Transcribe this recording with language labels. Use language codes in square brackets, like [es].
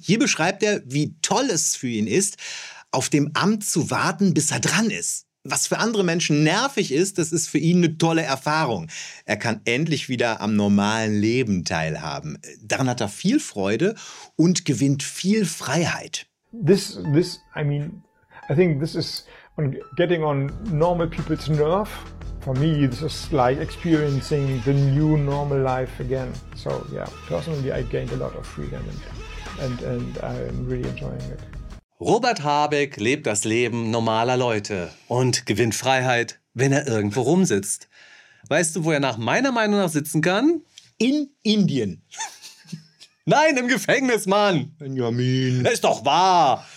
[de] Hier beschreibt er, wie toll es für ihn ist, auf dem Amt zu warten, bis er dran ist. Was für andere Menschen nervig ist, das ist für ihn eine tolle Erfahrung. Er kann endlich wieder am normalen Leben teilhaben. Daran hat er viel Freude und gewinnt viel Freiheit. [en] Getting on normal people's nerve, for me, this is like experiencing the new normal life again. So yeah, personally I gained a lot of freedom and I'm really enjoying it. [de] Robert Habeck lebt das Leben normaler Leute und gewinnt Freiheit, wenn er irgendwo rumsitzt. Weißt du, wo er nach meiner Meinung nach sitzen kann? In Indien. Nein, im Gefängnis, Mann. Benjamin. Das ist doch wahr.